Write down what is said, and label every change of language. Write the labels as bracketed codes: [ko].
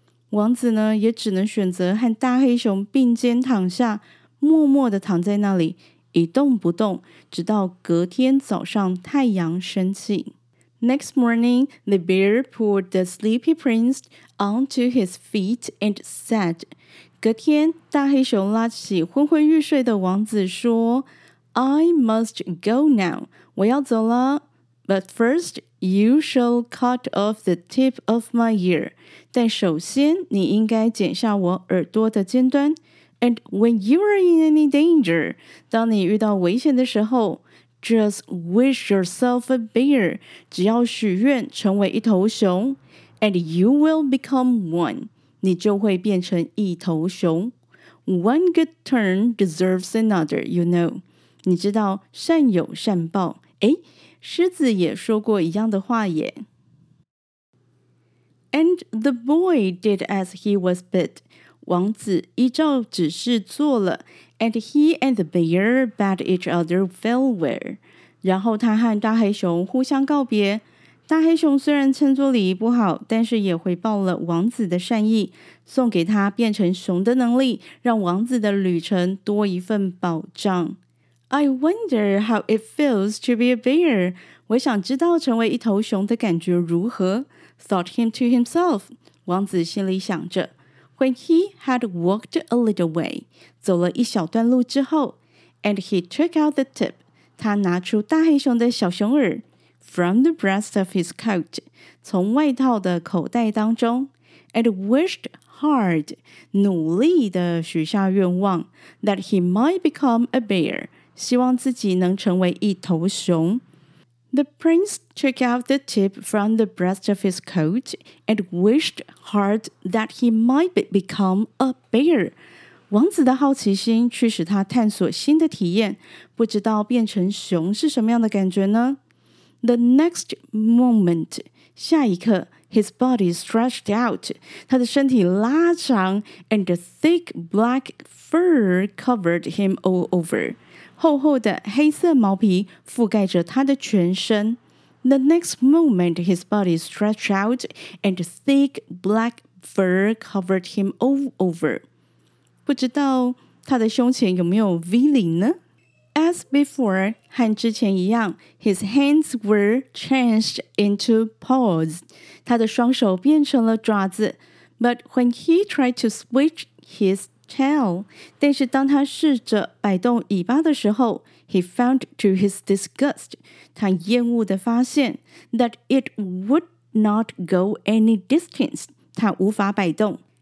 [zh] 王子呢，也只能选择和大黑熊并肩躺下，默默地躺在那里，一动不动，直到隔天早上太阳升起。 [en] Next morning, the bear pulled the sleepy prince onto his feet and said, [zh] 隔天大黑熊拉起昏昏欲睡的王子说 [en] I must go now, [zh] 我要走了 [en] But first, you shall cut off the tip of my ear, [zh] 但首先你应该剪下我耳朵的尖端 [en] And when you are in any danger, [zh] 当你遇到危险的时候 [en] Just wish yourself a bear, [zh] 只要许愿成为一头熊 [en] and you will become one, [zh] 你就会变成一头熊。 [en] One good turn deserves another, you know. [zh] 你知道善有善报。诶，狮子也说过一样的话耶。 [en] And the boy did as he was bid. [zh] 王子依照指示做了 [en] and he and the bear bade each other farewell. [zh] 然后他和大黑熊互相告别。大黑熊虽然称作礼仪不好，但是也回报了王子的善意，送给他变成熊的能力，让王子的旅程多一份保障。 [en] I wonder how it feels to be a bear. [zh] 我想知道成为一头熊的感觉如何。 [en] Thought him to himself. [zh] 王子心里想着。 [en] When he had walked a little way, [zh] 走了一小段路之后 [en] and he took out the tip, [zh] 他拿出大黑熊的小熊耳 [en] from the breast of his coat, [zh] 从外套的口袋当中 [en] and wished hard, [zh] 努力地许下愿望 [en] that he might become a bear, [zh] 希望自己能成为一头熊。 [en] The prince took out the tip from the breast of his coat and wished hard that he might become a bear. [zh] 王子的好奇心驱使他探索新的体验，不知道变成熊是什么样的感觉呢？ [en] The next moment, [zh] 下一刻 [en] his body stretched out, [zh] 他的身体拉长 [en] and the thick black fur covered him all over. [zh] 厚厚的黑色毛皮覆盖着他的全身。 [en] The next moment, his body stretched out, and thick black fur covered him all over. [zh] 不知道他的胸前有没有 V 领呢？ [en] As before, [zh] 和之前一样 [en] his hands were changed into paws. [zh] 他的双手变成了爪子。 [en] But when he tried to switch his tail, [zh] 但是当他试着摆动尾巴的时候 [en] he found to his disgust, [zh] 他厌恶地发现 [en] that it would not go any distance, [zh] 他无法摆动。